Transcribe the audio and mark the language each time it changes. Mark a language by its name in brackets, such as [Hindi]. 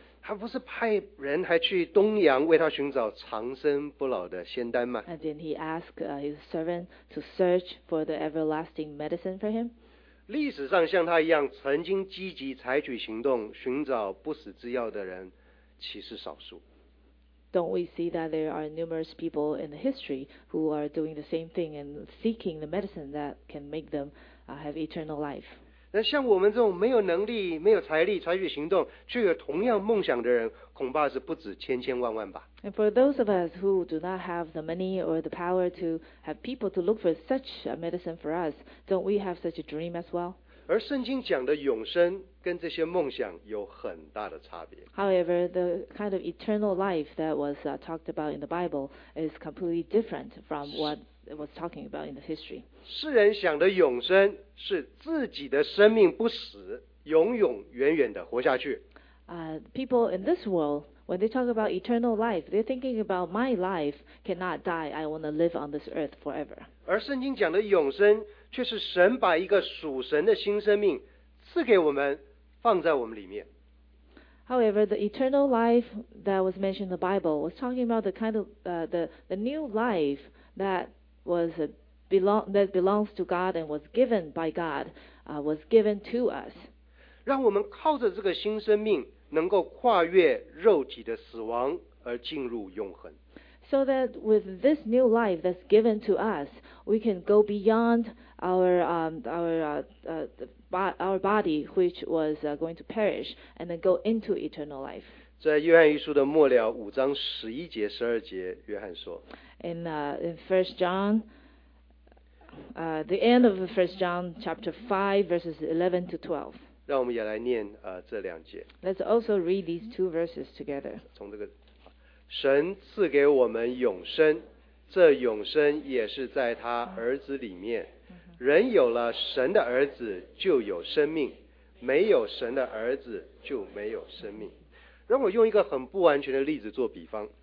[Chinese] 他不是派人还去东洋为他寻找长生不老的仙丹吗？ [English] And then he asked his servant to search for the everlasting medicine for him. [Chinese] 历史上像他一样曾经积极采取行动寻找不死之药的人岂是少数？ [English] Don't we see that there are numerous people in the history who are doing the same thing and seeking the medicine that can make them have eternal life? [Chinese] 那像我们这种没有能力、没有财力采取行动，却有同样梦想的人，恐怕是不止千千万万吧。 [English] And for those of us who do not have the money or the power to have people to look for such a medicine for us, don't we have such a dream as well? [Chinese] 而圣经讲的永生跟这些梦想有很大的差别。 [English] However, the kind of eternal life that was talked about in the Bible is completely different from what was talking about in the history. [Chinese] 世人想的永生是自己的生命不死，永永远远的活下去。 [English] People in this world, when they talk about eternal life, they're thinking about my life cannot die. I want to live on this earth forever. [Chinese] 而圣经讲的永生，却是神把一个属神的新生命赐给我们，放在我们里面。 [English] However, the eternal life that was mentioned in the Bible was talking about the kind of the new life that was that belongs to God and was given by God, was given to us. [Chinese] 让我们靠着这个新生命，能够跨越肉体的死亡而进入永恒。 [English] So that with this new life that's given to us, we can go beyond our body, which was going to perish, and then go into eternal life. [Chinese] 在约翰一书的末了五章十一节十二节，约翰说。 [English] In First John, the end of First John chapter 5, verses 11 to 12. [Chinese] 让我们也来念这两节。 [English] Let's also read these two verses together. [Chinese] 从这个，神赐给我们永生，这永生也是在他儿子里面。人有了神的儿子就有生命，没有神的儿子就没有生命。让我用一个很不完全的例子做比方。